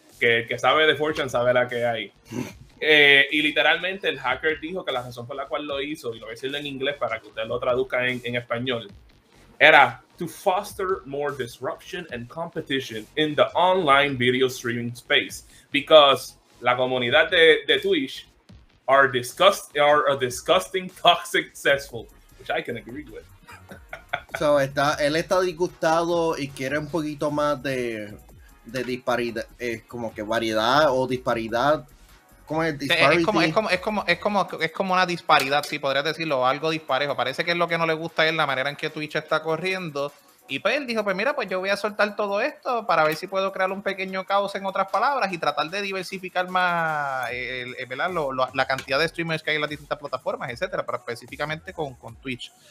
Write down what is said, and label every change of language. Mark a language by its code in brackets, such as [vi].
[es] Que sabe de 4chan sabe la que hay. Y literalmente el hacker dijo que la razón por la cual lo hizo, y lo voy a decir en inglés para que ustedes lo traduzcan en español, era [en] to foster more disruption and competition in the online video streaming space. Because [es] la comunidad de [en] Twitch are a disgusting, toxic cesspool, which I can agree with. [es] So él está disgustado y quiere un poquito más de disparidad, como que variedad o disparidad. ¿Cómo es? Es como una disparidad, sí, podrías decirlo, algo disparejo. Parece que es lo que no le gusta a él, la manera en que Twitch está corriendo. Y pues él dijo, pues mira, pues yo voy a soltar todo esto para ver si puedo crear un pequeño caos, en otras palabras, y tratar de diversificar más la cantidad de streamers que hay en las distintas plataformas, etcétera, pero específicamente con Twitch.